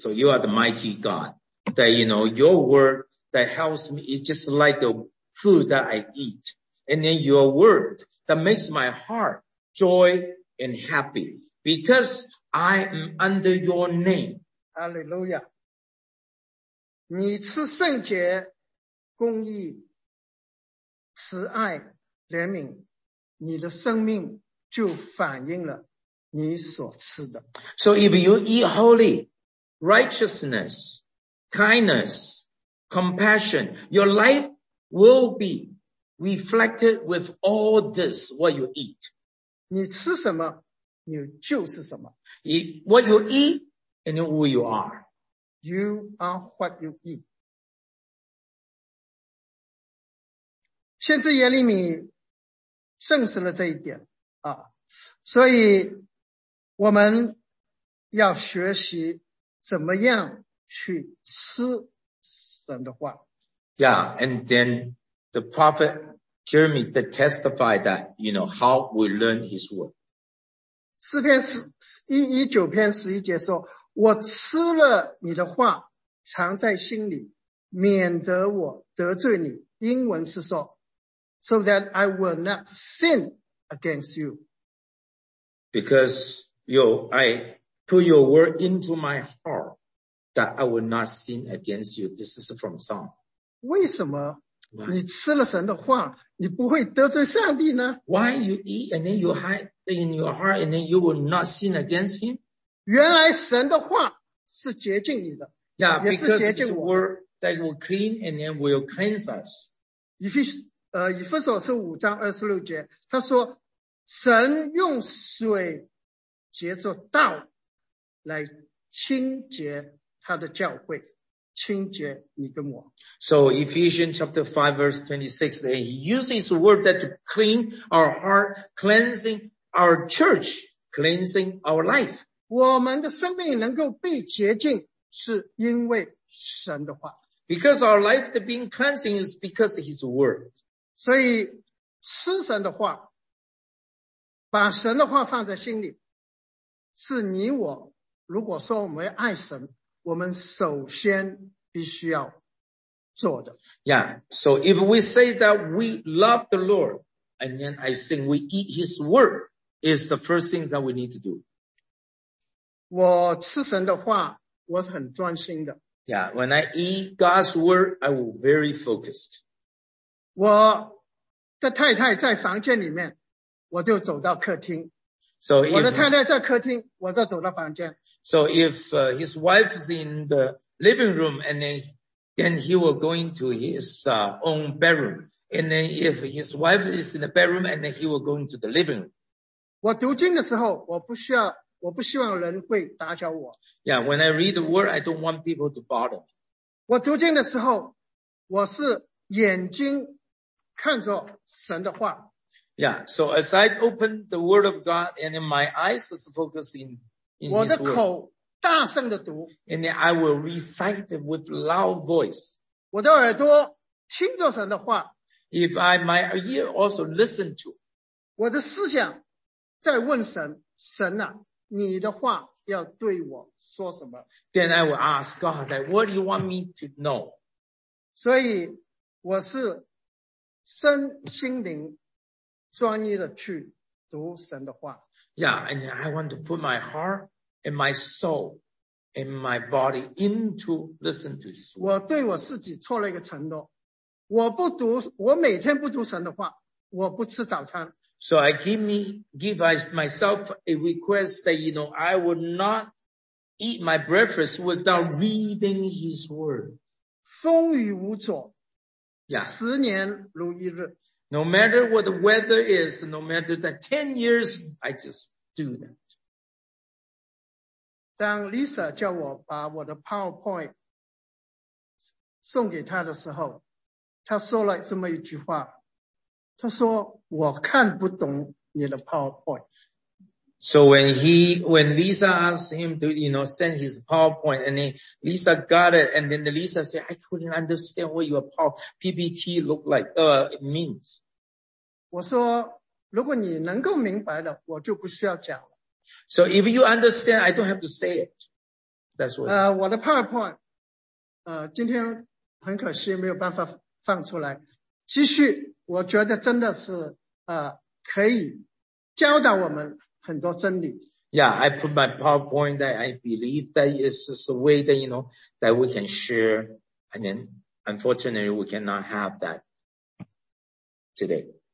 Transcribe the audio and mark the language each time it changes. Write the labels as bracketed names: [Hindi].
[English] So you are the mighty God, that you know, your word that helps me is just like the food that I eat. And then your word that makes my heart joy and happy because I am under your name. Hallelujah. [Chinese] 你吃圣洁公义慈爱怜悯，你的生命就反映了你所吃的。 [English] So if you eat holy, righteousness, kindness, compassion, your life will be reflected with all this what you eat. [Chinese] 你吃什么，你就是什么。 [English] What you eat and who you are. You are what you eat. [Chinese] 先知耶利米证实了这一点啊，所以我们要学习怎么样去吃神的话。 [English] Yeah, and then the prophet Jeremy that testified that, you know, how we learn his word. [Chinese] 诗篇119:11说，我吃了你的话藏在心里，免得我得罪你。英文是说 [English] So that I will not sin against you. Because you, I put your word into my heart that I will not sin against you. This is from Psalm. [Chinese] 为什么你吃了神的话你不会得罪上帝呢？ [English] Why you eat and then you hide in your heart and then you will not sin against him? [Chinese] 原来神的话是洁净你的。 [English] Yeah, because it's a word that will clean and then will cleanse us. If you, [Chinese] 以弗所书五章二十六节，他说：“神用水洁作道来清洁他的教会，清洁你跟我。” [English] So Ephesians chapter 5 verse 26, that he uses the word that to clean our heart, cleansing our church, cleansing our life. [Chinese] 我们的生命能够被洁净，是因为神的话。 [English] Because our life being cleansing is because of his word. [Chinese] 所以吃神的话，把神的话放在心里，是你我，如果说我们要爱神，我们首先必须要做的。 [English] Yeah, so if we say that we love the Lord, and then I think we eat his word, is the first thing that we need to do. [Chinese] 我吃神的话，我是很专心的。 [English] Yeah, when I eat God's word, I will very focused. [Chinese] 我的太太在房间里面，我就走到客厅。 [English] So if, [Chinese] 我的太太在客厅，我就走到房间。 [English] So if his wife is in the living room, and then he will go into his own bedroom. And then if his wife is in the bedroom, and then he will go into the living room. [Chinese] 我读经的时候，我不需要，我不希望人会打搅我。 [English] Yeah, when I read the word, I don't want people to bother. [Chinese] 我读经的时候，我是眼睛看着神的话。 [English] Yeah, so as I open the word of God, and then my eyes is focusing in his word. [Chinese] 我的口大声地读。 [English] And then I will recite it with loud voice. [Chinese] 我的耳朵听着神的话。 [English] If I, my ear also listen to. [Chinese] 我的思想在问神，神啊，你的话要对我说什么。 [English] Then I will ask God, like, what do you want me to know? [Chinese] 所以我是身心灵专一的去读神的话。 [English] Yeah, and I want to put my heart and my soul and my body into listen to his word. [Chinese] 我对我自己做了一个承诺。我不读，我每天不读神的话，我不吃早餐。 [English] So I give myself a request that, you know, I would not eat my breakfast without reading his word. [Chinese] 风雨无阻。 [English] Yeah. [Chinese] 十年如一日。 [English] No matter what the weather is, no matter the 10 years, I just do that. [Chinese] 当 Lisa 叫我把我的 PowerPoint 送给她的时候，她说了这么一句话，她说我看不懂你的 PowerPoint。 [English] So when Lisa asked him to, you know, send his PowerPoint, and then Lisa got it, and then Lisa said, I couldn't understand what your PPT look like, means. [Chinese] 我说如果你能够明白的，我就不需要讲了。 [English] So if you understand, I don't have to say it. That's what. [Chinese] 我的 PowerPoint, 今天很可惜没有办法放出来。继续，我觉得真的是可以教导我们很多真理。 [English] Yeah, I put my PowerPoint that I believe that is the way that, you know, that we can share. And then, unfortunately, we cannot have that today.